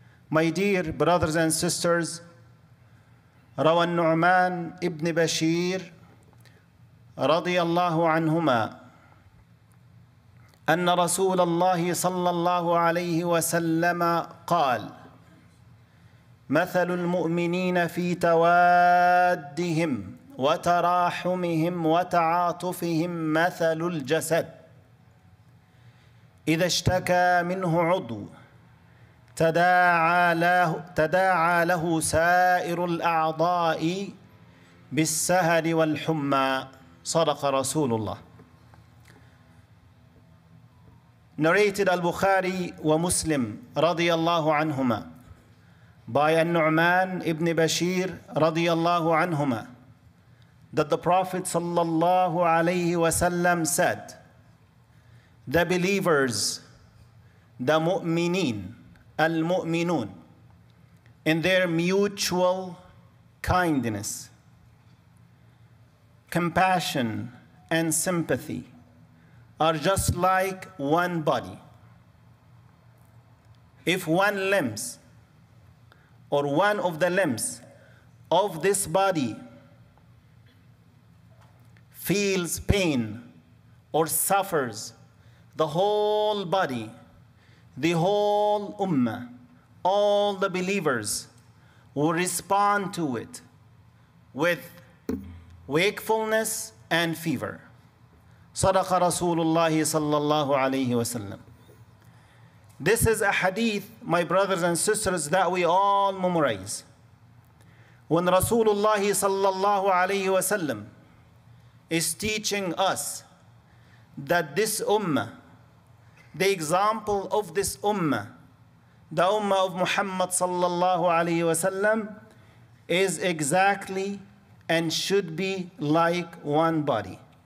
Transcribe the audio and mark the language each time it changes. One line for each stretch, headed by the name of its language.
English: My dear brothers and sisters,
Arabic: روى النعمان ابن بشير رضي الله عنهما أن رسول الله صلى الله عليه وسلم قال: مثل المؤمنين في توادهم وتراحمهم وتعاطفهم مثل الجسد، إذا اشتكى منه عضو تداعى له سائر الأعضاء بالسهر والحمى، صدق رسول الله.
English: Narrated al-Bukhari wa Muslim radiyallahu anhuma by An-Nu'man ibn Bashir radiyallahu anhuma that the Prophet sallallahu alayhi wa sallam said, the believers, the mu'minin, al-mu'minun, in their mutual kindness, compassion and sympathy are just like one body. If one limb or one of the limbs of this body feels pain or suffers, the whole body, the whole ummah, all the believers will respond to it with wakefulness and fever.
Arabic: صدق رسول الله صلى الله عليه وسلم.
English: This is a hadith, my brothers and sisters, that we all memorize. When
Arabic: رسول الله صلى الله عليه وسلم
English: is teaching us that this ummah, the example of this ummah, the ummah of Muhammad
Arabic: صلى الله عليه وسلم,
English: is exactly and should be like one body.